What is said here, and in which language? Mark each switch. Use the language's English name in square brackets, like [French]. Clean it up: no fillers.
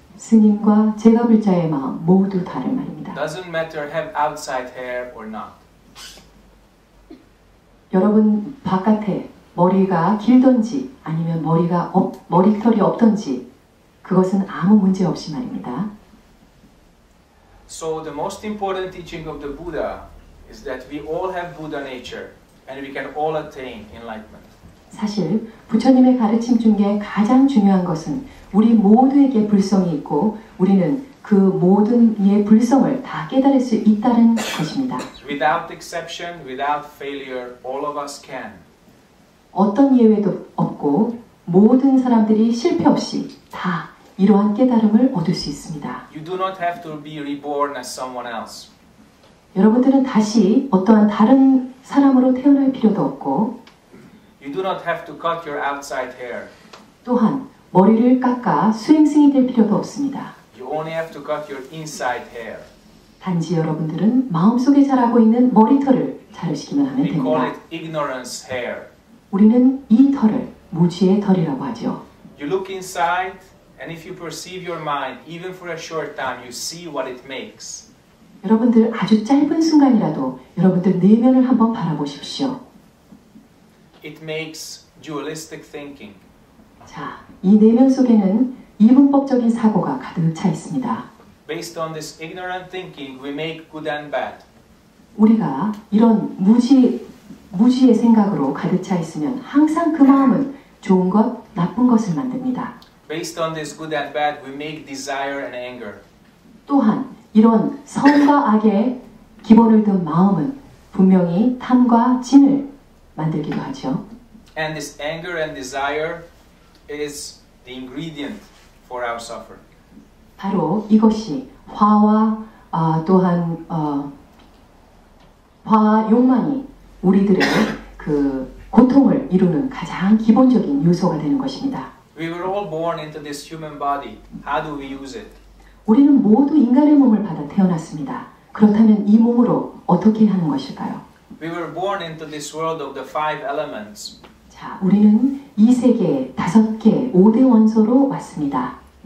[Korean] 스님과 재가불자의 마음 모두 다른 말입니다. [English] Doesn't matter have outside hair or not. [Korean] 여러분 바깥에 머리가 길던지 아니면 머리털이 없던지 그것은 아무 문제 없이 말입니다. [English] So the most important teaching of the Buddha is that we all have Buddha nature and we can all attain enlightenment. [Korean] 사실 부처님의 가르침 중에 가장 중요한 것은 우리 모두에게 불성이 있고 우리는 그 모든 이의 불성을 다 깨달을 수 있다는 것입니다. [English] Without exception, without failure, all of us can. [Korean] 어떤 예외도 없고 모든 사람들이 실패 없이 다 이러한 깨달음을 얻을 수 있습니다. [English] You do not have to be reborn as someone else. [Korean] 여러분들은 다시 어떠한 다른 사람으로 태어날 필요도 없고 [English] You do not have to cut your outside hair. [Korean] 또한 머리를 깎아 수행생이 될 필요도 없습니다. [English] You only have to cut your inside hair. [Korean] 단지 여러분들은 마음속에 자라고 있는 머리털을 자르시기만 하면 됩니다. [English] We call it ignorance hair. [Korean] 우리는 이 털을 무지의 털이라고 하죠. [English] You look inside and if you perceive your mind even for a short time you see what it makes. [Korean] 여러분들 아주 짧은 순간이라도 여러분들 내면을 한번 바라보십시오. [English] It makes dualistic thinking. [Korean] 자, 이 내면 속에는 이분법적인 사고가 가득 차 있습니다. [English] Based on this ignorant thinking, we make good and bad. [Korean] 우리가 이런 무지의 생각으로 가득 차 있으면 항상 그 마음은 좋은 것, 나쁜 것을 만듭니다. [English] Based on this good and bad, we make desire and anger. [Korean] 또한 이런 선과 악의 기본을 둔 마음은 분명히 탐과 진을 만들기도 하죠. [English] And this anger and desire is the ingredient for our suffering. [Korean] 바로 이것이 화와 또한 화와 욕망이 우리들의 그 고통을 이루는 가장 기본적인 요소가 되는 것입니다. [English] We were all born into this human body. How do we use it? [Korean] 우리는 모두 인간의 몸을 받아 태어났습니다. 그렇다면 이 몸으로 어떻게 하는 것일까요? [English] We were born into this world of the five elements. [Korean] 자, 우리는 이 세계 다섯 개 5대 원소로 왔습니다.